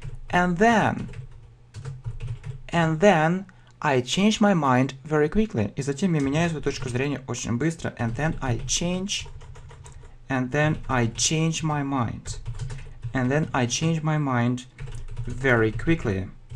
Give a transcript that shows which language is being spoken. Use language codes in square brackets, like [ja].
[en] And then, I change my mind very quickly. [ru] И затем я меняю свою точку зрения очень быстро. [en] And then I change my mind. And then I change my mind very quickly.